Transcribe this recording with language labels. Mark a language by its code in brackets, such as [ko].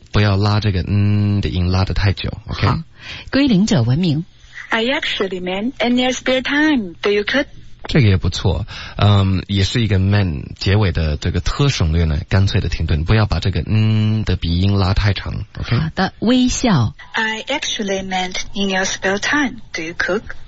[zh] 不要拉这个嗯的音拉得太久 ,OK? 好归零者文明。 [en] I actually meant in your spare time, do you cook? [zh] 这个也不错也是一个 man 结尾的这个特省略呢干脆的停顿不要把这个嗯的鼻音拉太长 ,OK? 好的微笑。 [en] I actually meant in your spare time, do you cook?